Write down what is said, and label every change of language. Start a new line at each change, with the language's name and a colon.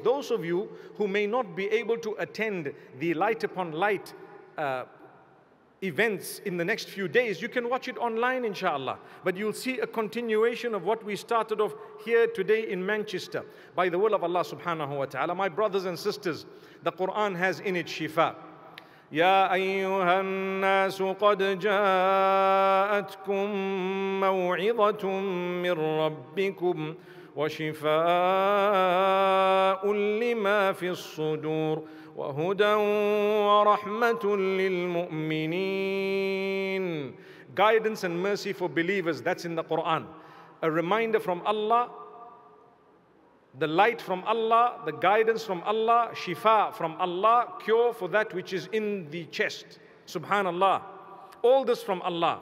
English: Those of you who may not be able to attend the Light Upon Light events in the next few days, you can watch it online, inshallah. But you'll see a continuation of what we started off here today in Manchester. By the will of Allah subhanahu wa ta'ala, my brothers and sisters, the Quran has in it shifa.
Arabic: يا أيها الناس قد جاءتكم موعظة من ربكم وشفاء لما في الصدور وهدى ورحمة للمؤمنين.
English: Guidance and mercy for believers, that's in the Quran. A reminder from Allah, the light from Allah, the guidance from Allah, shifa from Allah, cure for that which is in the chest. Subhanallah. All this from Allah.